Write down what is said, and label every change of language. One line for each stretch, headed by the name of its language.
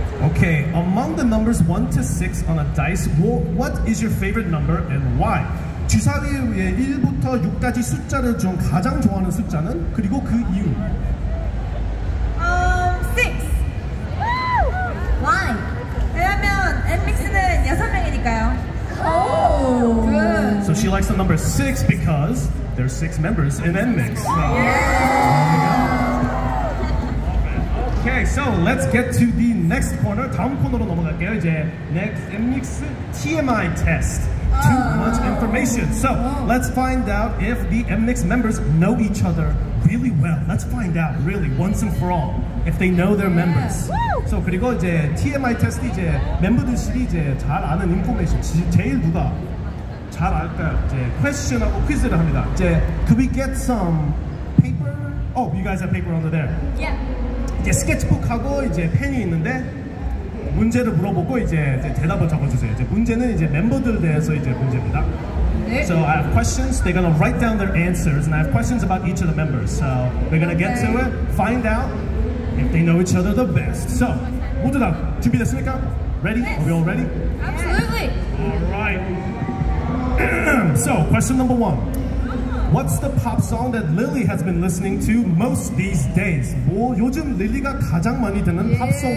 English: Okay, among the numbers 1 to 6 on a dice, what is your favorite number and why?
Korean: 주사위에 1부터 6까지 숫자를 좀 가장 좋아하는 숫자는? 그리고 그 이유? 6! Woo! Why? 왜냐면 NMIXX는 6명이니까요.
English: Oh! Good! So she likes the number 6 because there are 6 members in NMIXX. Yeah! Okay, so let's get to the next corner.
Korean: 다음 코너로 넘어갈게요.
English: 이제 next NMIXX TMI test. Too much information. So let's find out if the NMIXX members know each other really well. Let's find out really once and for all if they know their members. Yeah.
Korean: So 그리고 이제 TMI 테스트 이제 멤버들끼리 이제 잘 아는 인포메이션 제일 누가 잘 알까 이제 퀘스천하고 퀴즈를 합니다.
English: 이제 could we get some paper? Oh, you guys have paper under there. Yeah.
Korean: 이제 스케치북하고 이제 펜이 있는데 문제를 물어보고 이제 대답을 적어주세요. 이제 문제는 이제 멤버들 대해서 이제 문제입니다. 네.
English: So I have questions. They're gonna write down their answers, and I have questions about each of the members. So we're gonna get to it. Find out if they know each other the best.
Korean: So 모두 다 준비됐습니까?
English: Ready? Yes. Are we all ready? Absolutely. All right. So question number one. What's the pop song that Lily has been listening to most these days?
Korean: 뭐 요즘 릴리가 가장 많이 듣는 팝송은?